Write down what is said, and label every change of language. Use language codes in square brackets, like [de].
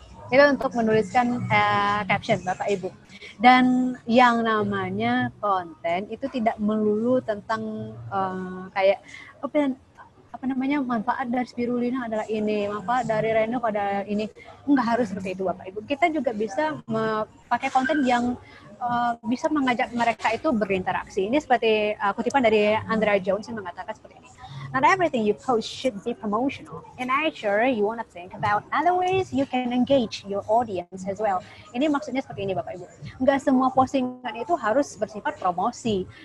[id] Itu untuk menuliskan caption, Bapak Ibu. Dan yang namanya konten itu tidak melulu tentang kayak open. Apa namanya, manfaat dari spirulina adalah ini, manfaat dari renov adalah ini. Enggak harus seperti itu Bapak Ibu. Kita juga bisa pakai konten yang bisa mengajak mereka itu berinteraksi. Ini seperti kutipan dari Andrea Jones yang mengatakan seperti ini. [en] Not everything you post should be promotional. In nature, you want to think about other ways you can engage your audience as well. [id] Ini maksudnya seperti ini Bapak Ibu. Enggak semua postingan itu harus bersifat promosi.